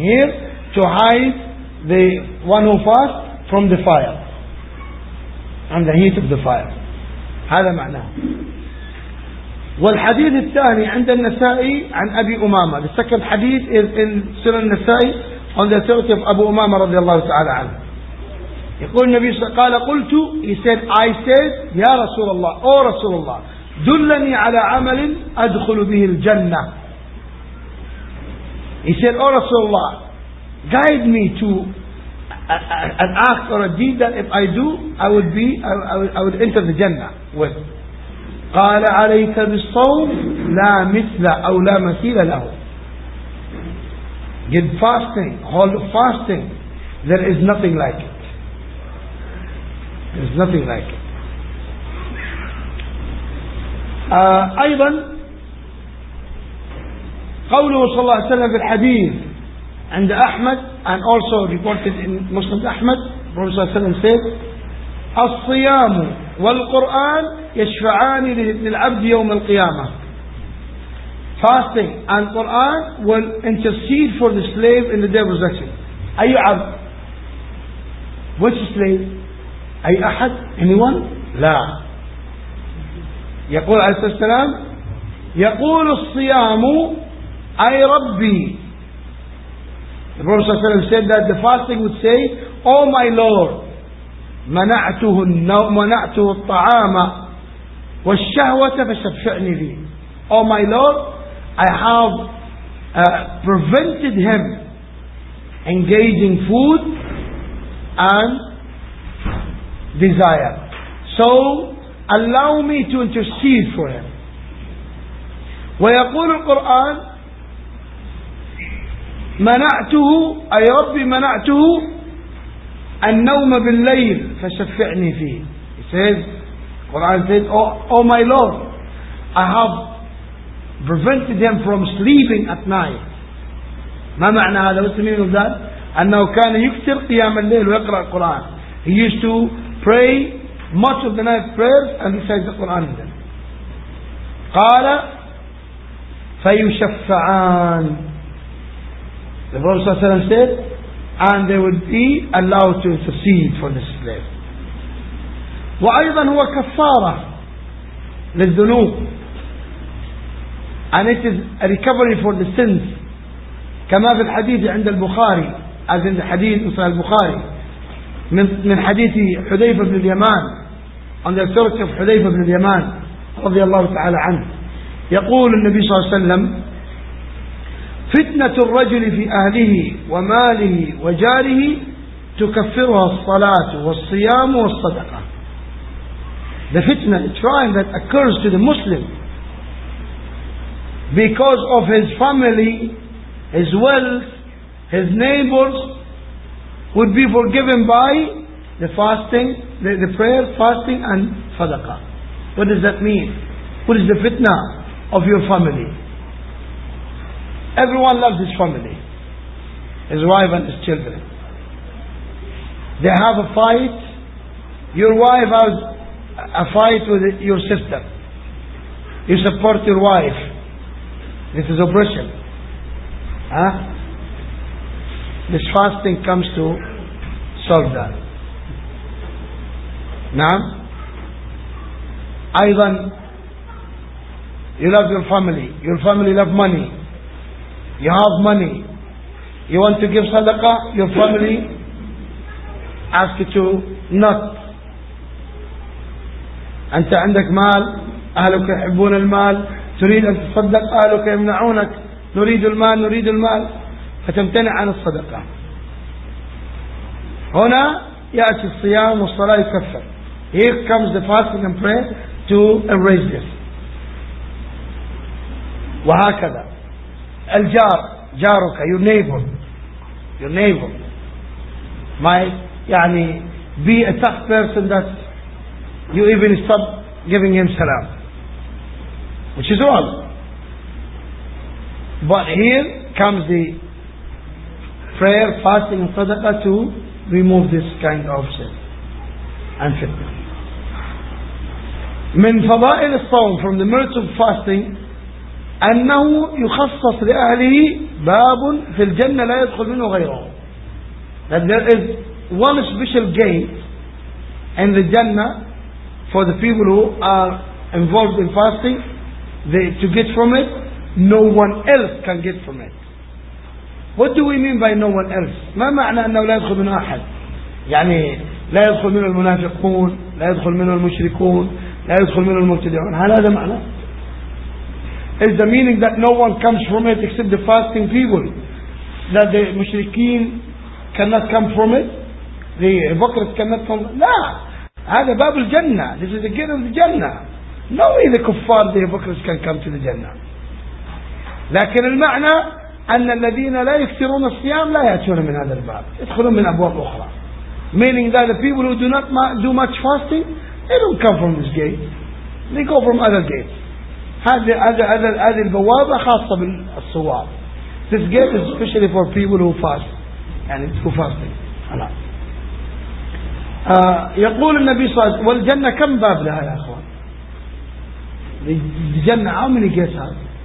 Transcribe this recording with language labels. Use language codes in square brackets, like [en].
[en] Here to hide the one who fast from the fire and the heat of the fire. [ar] هذا معناه. والحديث الثاني عند النسائي عن أبي أمامة. [en] The second hadith is in Sunan Nasa'i on the authority of Abu Umama رضي الله تعالى عنه. [ar] يقول النبي صلى الله عليه وسلم قال قلت [en] he said I said [ar] يا رسول الله أو رسول الله دلني على عمل أدخل به الجنة. [en] He said [ar] أو رسول الله [en] guide me to an act or a deed that if I do I would enter the Jannah with. [ar] قال عليك بالصوم لا مثل أو لا مثيل له. [en] Get fasting, hold fasting. There is nothing like it. There is nothing like it. [ar] أيضا قوله صلى الله عليه وسلم في الحديث عند أحمد [en] and also reported in Muslim [ar] أحمد رضي الله عنه صلى الله عليه وسلم الصيام والقرآن يشفعان للعبد يوم القيامة. [en] Fasting and Quran will intercede for the slave in the day of resurrection. [ar] أي عبد؟ [en] Which slave? [ar] أي أحد؟ [en] Anyone? [ar] لا. يقول عليه السلام يقول الصيام أي ربي. [en] The Prophet ﷺ said that the fasting would say, "Oh my Lord, [ar] منعته منعته الطعام والشهوة فشفعني فيه." [en] Oh my Lord, I have prevented him engaging food and desire. So allow me to intercede for him. [ar] ويقول القرآن منعته أي ربي منعته النوم بالليل فشفعني فيه. [en] He says, Quran says, oh my Lord, I have prevented him from sleeping at night. [ar] ما معنى هذا؟ [en] What's the meaning of that? [ar] أنه كان يكثر قيام الليل ويقرأ القرآن. [en] He used to pray much of the night prayers and recite the Quran then. [ar] قال فيشفعان. [en] The Prophet ﷺ said, and they would be allowed to intercede for the slave. [ar] وأيضا هو كفارة للذنوب. [en] And it is a recovery for the sins. [ar] كما في الحديث عند البخاري, [en] as in the hadith of [ar] البخاري, من حديث حذيفة بن اليمان, [en] on the authority of [ar] حذيفة بن اليمان رضي الله تعالى عنه. يقول النبي صلى الله عليه وسلم فتنة الرجل في أهله وماله وجاره تكفرها الصلاة والصيام والصدقة. [en] The fitna, the trial that occurs to the Muslim because of his family, his wealth, his neighbors would be forgiven by the fasting, the prayer, fasting and sadaqah. What does that mean? What is the fitna of your family? Everyone loves his family, his wife and his children. They have a fight. Your wife has a fight with your sister. You support your wife. This is oppression. Huh? This fasting comes to solve that. Now, [ar] أيضا, [en] you love your family. Your family love money. You have money. You want to give sadaqah, your family ask you to not. [ar] أنت عندك مال, أهلك يحبون المال, تريد أن تصدق, أهلك يمنعونك, نريد المال, نريد المال, فتمتنع عن الصدقة. هنا يأتي الصيام والصلاة يكفر. [en] Here comes the fasting and prayer to erase this. [ar] وهكذا الجار, جارك, [en] your neighbor might [ar] يعني [en] be a tough person that you even stop giving him salam, which is wrong. But here comes the prayer, fasting and sadaqah to remove this kind of sin and fitna. [ar] من فضائل الصوم, [en] from the merits of fasting, [ar] أنه يخصص لأهله باب في الجنة لا يدخل منه غيره. [en] That there is one special gate in the Jannah for the people who are involved in fasting, to get from it, no one else can get from it. What do we mean by no one else? [ar] ما معنى أنه لا يدخل منه أحد؟ يعني لا يدخل منه المنافقون, لا يدخل منه المشركون, لا يدخل منه المبتدعون. هل هذا معنى؟ [en] Is the meaning that no one comes from it except the fasting people? That the mushrikeen cannot come from it? The hypocrites cannot come from it? No! [ar] هذا باب الجنة. [en] This is the gate of the Jannah. No way the kuffar, the hypocrites can come to the Jannah. [ar] لكن المعنى أن الذين لا يكثرون الصيام لا يأتون من هذا الباب. يدخلون من أبواب أخرى. [en] Meaning that the people who do not do much fasting, they don't come from this gate. They go from other gates. [ar] هذه البوابة خاصة بالصوار. [en] This gate is especially for people who fast. [ar] يعني [en] who fasting. [ar] خلاص. يقول النبي صلى الله عليه وسلم والجنة كم باب لها يا أخوان؟ الجنة [en] how many gates have?